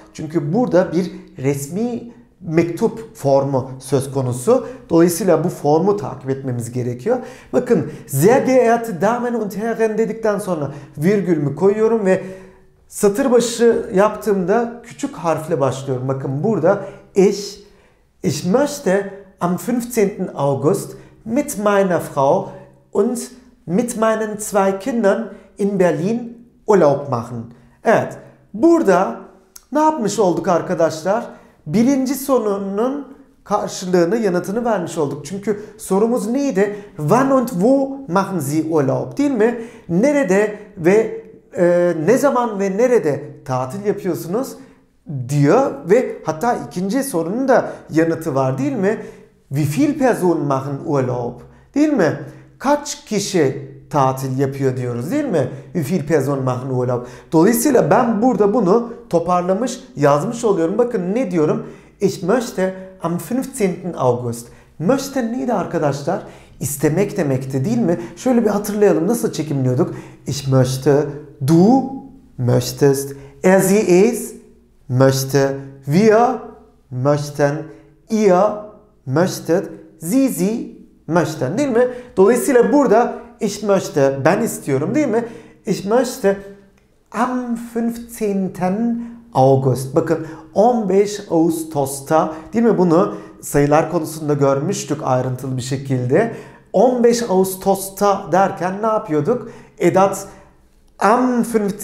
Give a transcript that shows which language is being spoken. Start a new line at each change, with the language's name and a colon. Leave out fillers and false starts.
Turkish: Çünkü burada bir resmi mektup formu söz konusu. Dolayısıyla bu formu takip etmemiz gerekiyor. Bakın,
German: sehr geehrte Damen und Herren
Turkish: dedikten sonra virgülümü koyuyorum ve satır başı yaptığımda küçük harfle başlıyorum. Bakın burada
German: ich, ich möchte am 15. August mit meiner Frau und mit meinen zwei Kindern in Berlin Urlaub machen.
Turkish: Evet, burada ne yapmış olduk arkadaşlar? Birinci sorunun karşılığını, yanıtını vermiş olduk. Çünkü sorumuz neydi?
German: Wann und wo machen Sie Urlaub?
Turkish: Değil mi? Nerede ve ne zaman ve nerede tatil yapıyorsunuz diyor. Ve hatta ikinci sorunun da yanıtı var, değil mi?
German: Wie viel Personen machen Urlaub?
Turkish: Değil mi? Kaç kişi tatil yapıyor diyoruz, değil mi?
German: Wie viel Personen machen Urlaub?
Turkish: Dolayısıyla ben burada bunu toparlamış, yazmış oluyorum. Bakın ne diyorum?
German: Ich möchte am 15. August.
Turkish: Möchte neydi arkadaşlar? İstemek demekti, değil mi? Şöyle bir hatırlayalım, nasıl çekimliyorduk?
German: Ich möchte, du möchtest, er sie es möchte, wir möchten, ihr möchtet, sie sie möchten,
Turkish: değil mi? Dolayısıyla burada
German: ich möchte,
Turkish: ben istiyorum, değil mi?
German: Ich möchte am 15. August.
Turkish: Bakın 15 Ağustos'ta, değil mi? Bunu sayılar konusunda görmüştük ayrıntılı bir şekilde. 15 Ağustos'ta derken ne yapıyorduk? Edat
German: am 15.